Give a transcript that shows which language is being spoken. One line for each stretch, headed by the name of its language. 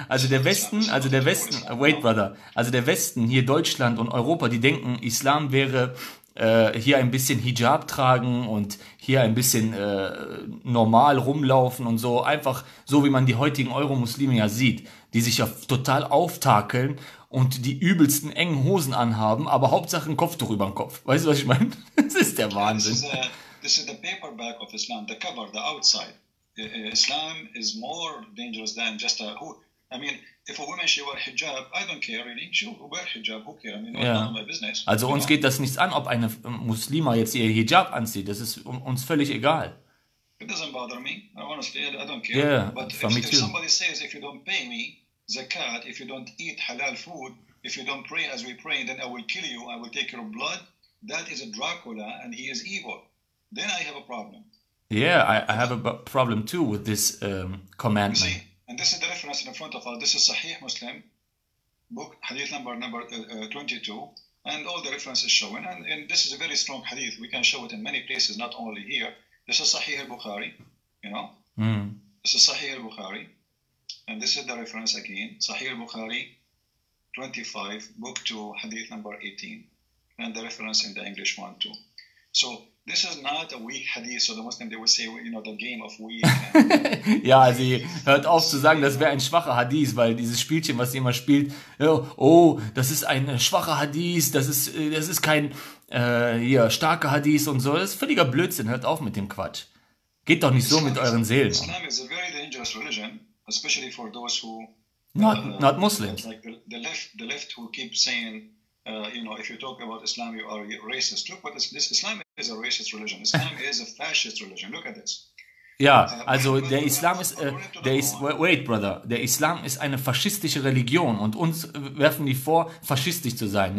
German: Also der Westen, hier Deutschland und Europa, die denken, Islam wäre hier ein bisschen Hijab tragen und hier ein bisschen normal rumlaufen und so, einfach so, wie man die heutigen Euro-Muslime ja sieht, die sich ja total auftakeln und die übelsten engen Hosen anhaben, aber Hauptsache ein Kopftuch über den Kopf. Weißt du, was ich meine? Das ist der Wahnsinn.
English: This is the paperback of Islam, the cover, the outside. Islam is more dangerous than just a hood. I mean, if a woman, she wear hijab, I don't care, really. She wear hijab, who care? I mean, yeah. None of my business.
German: Also uns geht das nichts an, ob eine Muslima jetzt ihr Hijab anzieht. Das ist uns völlig egal.
English: It doesn't bother me. Honestly, I don't care. Yeah, but if somebody says, if you don't pay me zakat, if you don't eat halal food, if you don't pray as we pray, then I will kill you, I will take your blood. That is a Dracula and he is evil. Then I have a problem. Yeah, I have a problem too with this commandment. You see, and this is the reference in front of us. This is Sahih Muslim, book, hadith number 22. And all the references showing. And this is a very strong hadith. We can show it in many places, not only here. This is Sahih al-Bukhari, you know. This is Sahih al-Bukhari. And this is the reference again. Sahih al-Bukhari 25, book 2, hadith number 18. And the reference in the English one too. So, this is not a weak hadith, so the Muslim, they will say, you know, the game of weak.
German: Ja, sie hört auf zu sagen, das wäre ein schwacher Hadith, weil dieses Spielchen, was sie immer spielt, das ist ein schwacher Hadith, das ist kein starker Hadith und so, das ist völliger Blödsinn, hört auf mit dem Quatsch. Geht doch nicht so mit euren Seelen.
English: Islam is a very dangerous religion, especially for those who... Not Muslims. Like the left who keep saying... you know, if you talk about Islam, you are racist. Look, what this Islam is a racist religion. Islam is a fascist religion. Look at this.
German: Ja, also der Islam ist,
English: wait, brother,
German: der Islam ist eine faschistische Religion und uns werfen die vor, faschistisch zu sein.